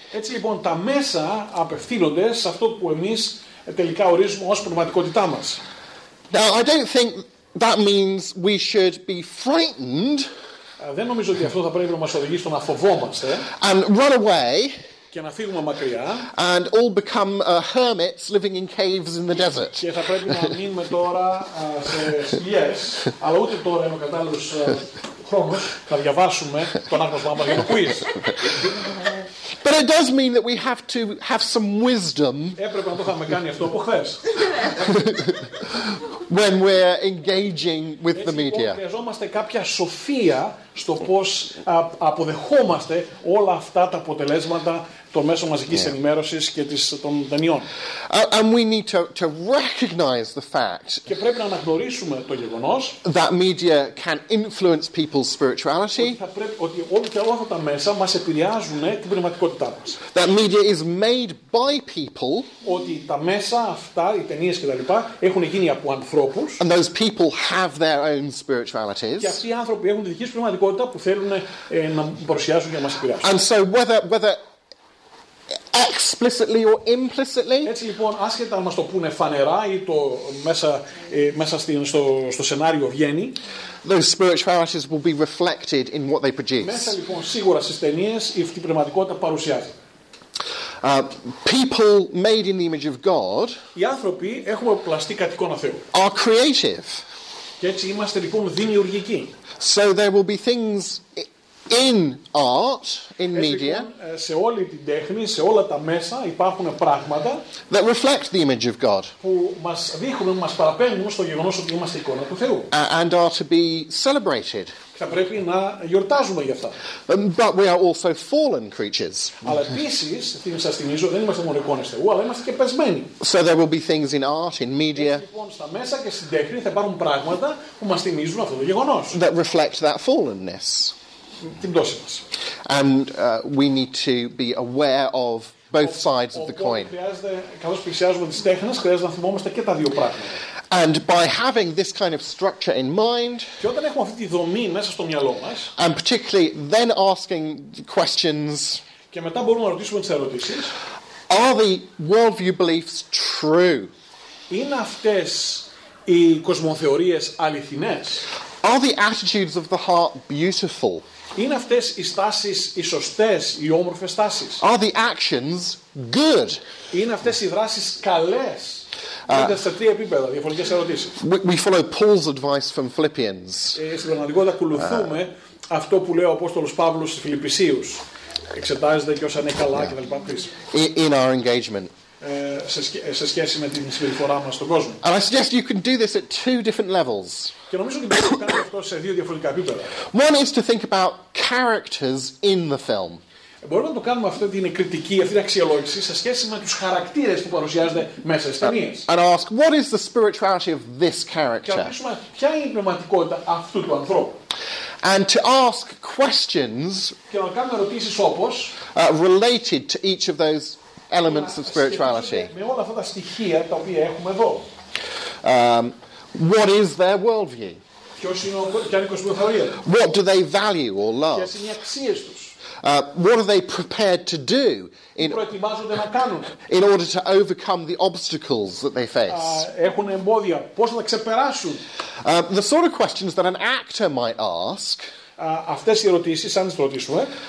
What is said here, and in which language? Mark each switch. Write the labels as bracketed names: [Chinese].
[Greek] Έτσι λοιπόν τα μέσα απευθύνονται σε αυτό που εμείς τελικά ορίζουμε ως πνευματικότητά μας. [English] Now, I don't think that means we should be frightened. [Greek] Δεν νομίζω ότι αυτό θα πρέπει να μας οδηγήσει στο να φοβόμαστε. [English] And run away. [Greek] Και να φύγουμε μακριά. [English] And all become hermits living in caves in the desert. [Greek] Και θα πρέπει να μείνουμε τώρα σε σκιές. Αλλά ούτε τώρα είναι ο κατάλληλος χρόνος. Θα διαβάσουμε τον άγνωστο άμα για το quiz. [English] But it does mean that we have to have some wisdom. [Greek] Έπρεπε να το είχαμε κάνει αυτό από χθες. [English] When we're engaging with the media. [Greek] Έτσι χρειαζόμαστε κάποια σοφία στο πώς αποδεχόμαστε όλα αυτά τα αποτελέσματα των μέσων μαζικής ενημέρωσης και των ταινιών. [English] And we need to recognize the fact. [Greek] Και πρέπει να αναγνωρίσουμε το γεγονός. [English] That media can influence people's spirituality. [Greek] Ότι όλα αυτά τα μέσα μας επηρεάζουν την πνευματικότητά μας. [English] That media is made by people. [Greek] Ότι τα μέσα αυτά, οι ταινίες κτλ. Έχουν γίνει από ανθρώπους. [English] And those people have their own spiritualities. [Greek] Και αυτοί οι άνθρωποι έχουν τη δική τους πνευματικότητα που θέλουν να παρουσιάσουν για να μας επηρεάσουν. [English] And so whether explicitly or implicitly. [Greek] Έτσι λοιπόν, άσχετα να μας το πούνε φανερά ή το μέσα στο σενάριο βγαίνει. [English] Those spiritualities will be reflected in what they produce. [Greek] Μέσα λοιπόν, σίγουρα στις ταινίες η αυτή πνευματικότητα παρουσιάζεται. [English] People made in the image of God. [Greek] Οι άνθρωποι έχουμε πλαστεί κατ' εικόνα Θεού. [English] Are creative. [Greek] Και έτσι είμαστε λοιπόν δημιουργικοί. [English] So there will be things in art, in media, [Greek] σε όλη την τέχνη, σε όλα τα μέσα υπάρχουν πράγματα [English] that reflect the image of God. [Greek] Που μας δείχνουν, μας παραπέμπουν στο γεγονός ότι είμαστε εικόνα του Θεού. [English] And are to be celebrated. [Greek] Και θα πρέπει να γιορτάζουμε γι' αυτά. [English] But we are also fallen creatures. [Greek] Αλλά επίσης, σας θυμίζω, δεν είμαστε μόνο εικόνες Θεού, αλλά είμαστε και πεσμένοι. [English] So there will be things in art, in media. [Greek] Έτσι, λοιπόν, στα μέσα και στην τέχνη θα υπάρχουν πράγματα που μας θυμίζουν αυτό το γεγονός. [English] That reflect that fallenness. [Greek] Την πτώση μας. [English] And we need to be aware of both sides of the coin. [Greek] Καθώς πλησιάζουμε τις τέχνες, χρειάζεται να θυμόμαστε και τα δύο πράγματα. [English] And by having this kind of structure in mind, [Greek] και όταν έχουμε αυτή τη δομή μέσα στο μυαλό μας, [English] and particularly then asking questions, [Greek] και μετά μπορούμε να ρωτήσουμε τις ερωτήσεις, [English] are the worldview beliefs true? [Greek] Είναι αυτές οι κοσμοθεωρίες αληθινές? [English] Are the attitudes of the heart beautiful? [Greek] Είναι αυτές οι στάσεις οι σωστές, οι όμορφες στάσεις? [English] Are the actions good? [Greek] Είναι αυτές οι δράσεις καλές? Είναι σε τρία επίπεδα διαφορετικές ερωτήσεις. [English] We follow Paul's advice from Philippians. [Greek] Στην πραγματικότητα ακολουθούμε αυτό που λέει ο Απόστολος Παύλος στους Φιλιππισίους. Εξετάζεται και όσα είναι καλά και τα λοιπά. [English] In our engagement. [Greek] Σε σχέση με την συμπεριφορά μας στον κόσμο. [English] And I suggest you can do this at two different levels. [Greek] Και νομίζω ότι μπορείς να κάνεις αυτό σε δύο διαφορετικά επίπεδα. [English] One is to think about characters in the film. [Greek] Μπορούμε να το κάνουμε αυτή την κριτική, αυτή την αξιολόγηση σε σχέση με τους χαρακτήρες που παρουσιάζονται μέσα στις ταινίες. [English] And ask, what is the spirituality of this character? [Greek] Και να ρωτήσουμε, ποια είναι η πνευματικότητα αυτού του ανθρώπου. [English] And to ask questions. [Greek] Και να κάνουμε ερωτήσεις όπως. [English] Related to each of those elements of spirituality. [Greek] Με όλα αυτά τα στοιχεία τα οποία έχουμε εδώ. [English] What is their worldview? [Greek] Ποια είναι η κοσμοθεωρία? [English] What do they value or love? [Greek] Ποιες είναι οι αξίες τους? [English] What are they prepared to do in order to overcome the obstacles that they face? [Greek] Έχουν εμπόδια. Πώς θα ξεπεράσουν? [English] The sort of questions that an actor might ask [Greek] αυτές οι ερωτήσεις, αν τις ρωτήσουμε,